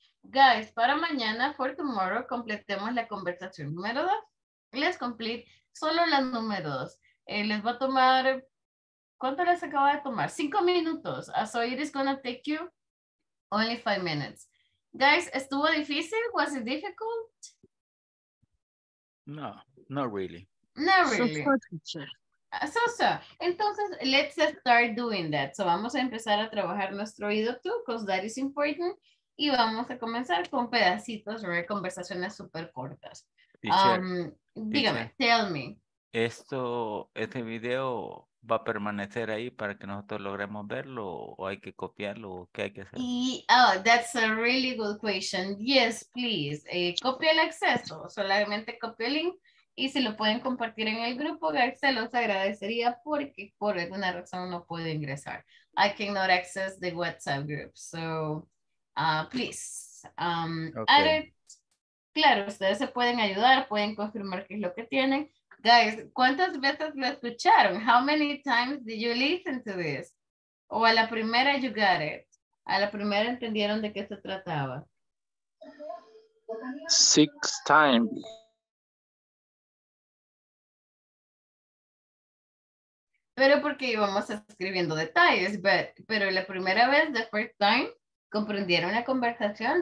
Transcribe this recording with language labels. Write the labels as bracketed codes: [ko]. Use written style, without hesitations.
[es] Guys, para mañana, [en] for tomorrow, [es] completemos la conversación número 2. [en] Let's complete [es] solo la número 2. Les va a tomar, ¿cuánto les acaba de tomar? 5 minutos. [en] So it is going to take you only 5 minutes. Guys, [es] ¿estuvo difícil? [en] Was it difficult? No, not really. Not really. So. [es] Entonces, [en] let's start doing that. [es] So vamos a empezar a trabajar nuestro oído [en] too, because that is important. [es] Y vamos a comenzar con pedacitos de conversaciones súper cortas. Dígame, [en] tell me. [es] Este video va a permanecer ahí para que nosotros logremos verlo o hay que copiarlo o qué hay que hacer. [en] That's a really good question. Yes, please. [es] Copia el acceso, solamente copia el link y si lo pueden compartir en el grupo, se los agradecería porque por alguna razón no puedo ingresar. [en] I cannot access the WhatsApp group. So, please. Okay. [es] Claro, ustedes se pueden ayudar, pueden confirmar qué es lo que tienen. Guys, ¿cuántas veces lo escucharon? [en] How many times did you listen to this? [es] O a la primera [en] you got it. [es] A la primera entendieron de qué se trataba. [en] 6 times. [es] Pero porque íbamos escribiendo detalles, pero la primera vez, [en] the first time, [es] comprendieron la conversación.